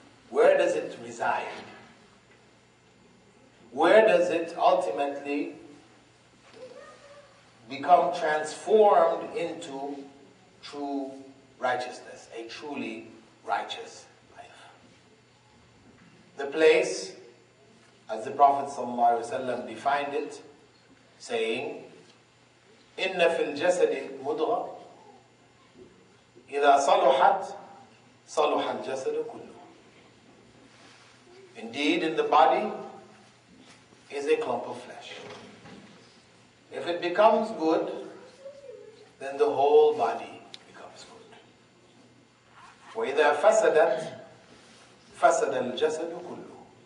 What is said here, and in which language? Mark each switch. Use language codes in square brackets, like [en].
[en] Where does it reside? Where does it ultimately become transformed into true righteousness, a truly righteous life? The place, as the Prophet ﷺ defined it, saying, [ar] إِنَّ فِي الْجَسَدِ مُدْغَةً إِذَا صَلُحَتْ صَلُحَ الْجَسَدُ كُلُّهُ. [en] Indeed, in the body is a clump of flesh. If it becomes good, then the whole body becomes good. [ar] وَإِذَا فَسَدَتْ فَسَدَ الْجَسَدُ كُلُّهُ.